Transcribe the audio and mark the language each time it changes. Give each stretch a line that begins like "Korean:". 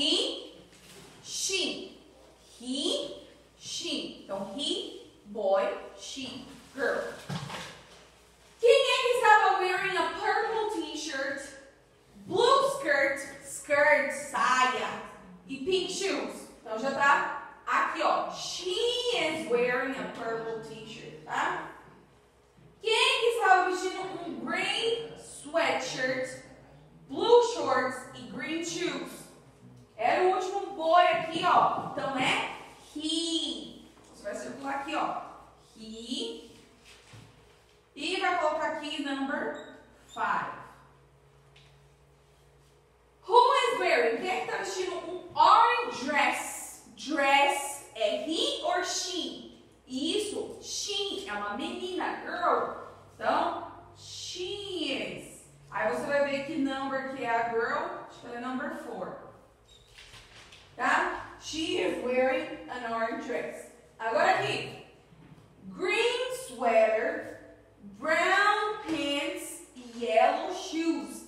English: He, she. He, she.
Portuguese: Então, he, boy, she, girl. Quem é que estava
English: wearing a purple t-shirt, blue skirt, skirt,
Portuguese: saia, e pink shoes. Então já tá aqui, ó.
English: She is wearing a purple t-shirt,
Portuguese: tá? Quem que estava vestindo um
English: gray sweatshirt, blue shorts
Portuguese: e
English: green shoes?
Portuguese: Era o último boy aqui, ó. Então é he. Você vai circular aqui, ó. He. E vai colocar aqui number 5.
English: Who is wearing?
Portuguese: Quem é que tá vestindo um
English: orange dress? Dress é he or she?
Portuguese: Isso, she é uma menina, girl. Então,
English: she is.
Portuguese: Aí você vai ver que number que é a girl, acho que é number 4. Tá?
English: She is wearing an orange dress.
Portuguese: Agora aqui.
English: Green sweater, brown pants, yellow shoes.